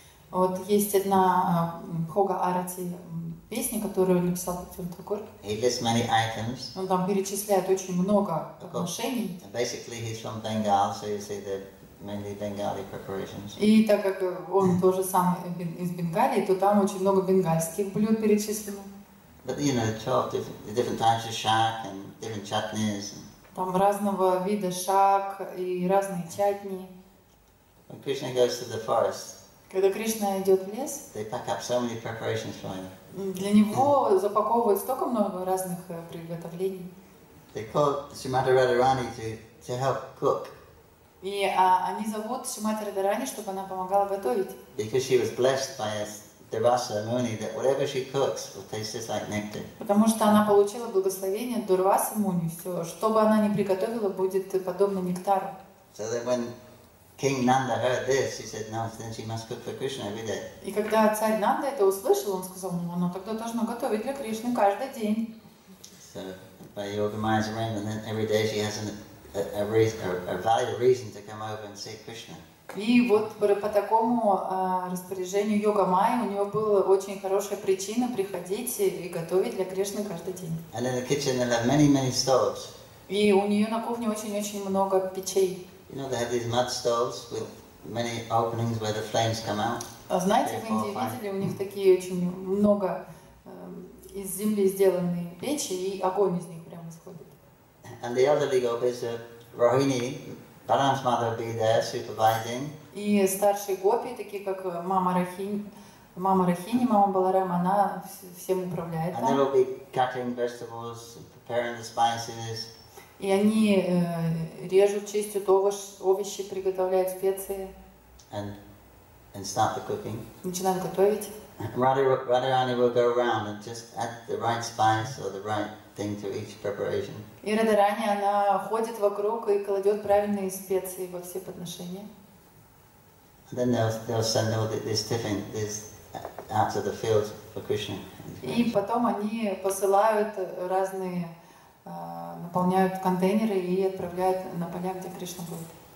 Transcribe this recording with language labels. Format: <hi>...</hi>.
<ru>Вот есть одна Bhoga Arati песня, которую написал Бхактивинода Тхакур.</ru> <en>He lists many items.</en> <ru>Он там перечисляет очень много отношений.</ru> <en>Basically, he's from Bengal, so you see the mainly Bengali preparations.</en> <ru>И так как он тоже сам из Бенгалии, то там очень много бенгальских блюд перечислено.</ru> <en>But you know, 12 different types of shak and different chutneys.</en> <ru>Там разного вида шак и разные чатни.</ru> <en>When Krishna goes to the forest,</en> <ru>когда Кришна идет в лес,</ru> <en>they pack up so many preparations for him.</en> <ru>Для него запаковывают столько много разных приготовлений.</ru> <en>They call Srimati Radharani to help cook.</en> <ru>И они зовут Srimati Radharani, чтобы она помогала готовить.</ru> <en>Because she was blessed by us. Дурваса Муни, that whatever she cooks will taste just like nectar.</en> <ru>Потому что она получила благословение от Дурвасы Муни, все, что бы она ни приготовила, будет подобно нектару.</ru> <en>So then when King Nanda heard this, he said, "No, then she must cook for Krishna every day."</en> <ru>И когда царь Нанда это услышал, он сказал, ну, она тогда должна готовить для Кришны каждый день.</ru> <en>So by yoga minds around, and then every day she has a valid reason to come over and see Krishna.</en> <ru>И вот по такому распоряжению Йога Майи у него была очень хорошая причина приходить и готовить для Кришны каждый день.</ru> <en>And in the kitchen they have many stoves.</en> <ru>И у нее на кухне очень-очень много печей.</ru> <en>You know, they have these mud stoves with many openings where the flames come out.</en> <ru>Знаете, в Индии видели, у них такие очень много из земли сделанные печи, и огонь из них прямо исходит.</ru> <en>And the elderly gopis are Rohini. Balaram's mother will be there supervising.</en> <ru>И старшие гопи, такие как мама Рахини, мама Баларама, она всем управляет.</ru> <en>And they will be cutting vegetables, preparing the spices.</en> <ru>И они режут, чистят овощи, приготовляют специи.</ru> <en>And start the cooking.</en> <ru>Начинают готовить.</ru> <en>Radharani will go around and just add the right spice or the right thing to each preparation.</en> <ru>И Радарани, она ходит вокруг и кладет правильные специи во все подношения.</ru> <en>And then they'll send all this tiffin out to the fields for Krishna.</en> <ru>И потом они посылают разные, наполняют контейнеры и отправляют на поля, где Кришна будет.</ru>